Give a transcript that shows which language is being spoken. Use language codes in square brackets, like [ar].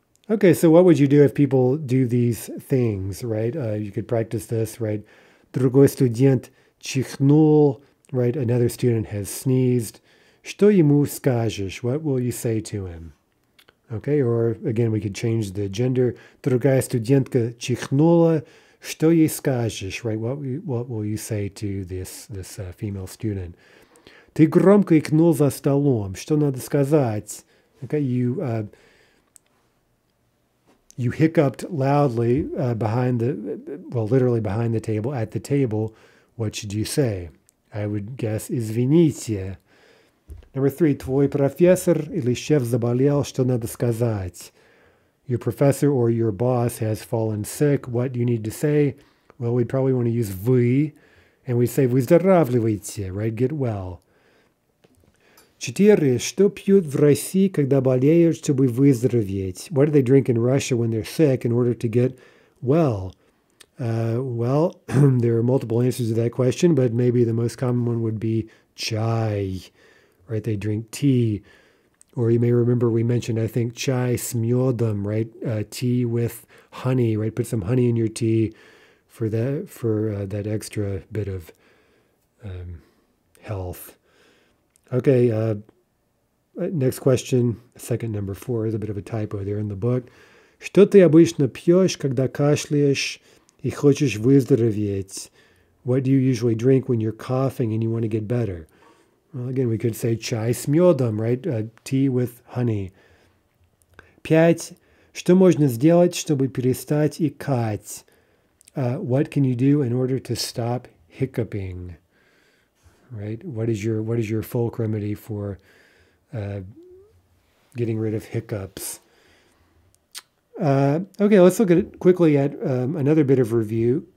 [en] Okay, so what would you do if people do these things, right? You could practice this, right? [ru] Другой студент чихнул, [en] right? Another student has sneezed. [ru] Что ему скажешь? [en] What will you say to him? Okay, or again, we could change the gender. [ru] Другая студентка чихнула. Что ей скажешь? [en] Right, what will you say to this female student? [ru] Ты громко икнул за столом. Что надо сказать? [en] Okay, you hiccuped loudly literally behind the table, at the table. What should you say? I would guess, извините. [ru] Number three, твой профессор или шеф заболел, что надо сказать? [en] Your professor or your boss has fallen sick. What do you need to say? Well, we'd probably want to use вы, and we say выздоравливайте, right? Get well. [ru] Четыре, что пьют в России, когда болеют, чтобы выздороветь? [en] What do they drink in Russia when they're sick in order to get well? Well, there are multiple answers to that question, but maybe the most common one would be чай. Right, they drink tea, or you may remember we mentioned, I think, chai [ru] с мёдом, [en] right? Tea with honey, right? Put some honey in your tea for that extra bit of health. Okay, next question, second number four is a bit of a typo there in the book. [ru] Что ты обычно пьёшь, когда кашляешь и хочешь выздороветь? [en] What do you usually drink when you're coughing and you want to get better? Well, again, we could say [ru] чай с мёдом, [en] right? Tea with honey. [ru] Пять. Что можно сделать, чтобы перестать икать? [en] What can you do in order to stop hiccuping? Right? What is your folk remedy for getting rid of hiccups? Okay, let's look at quickly at another bit of review.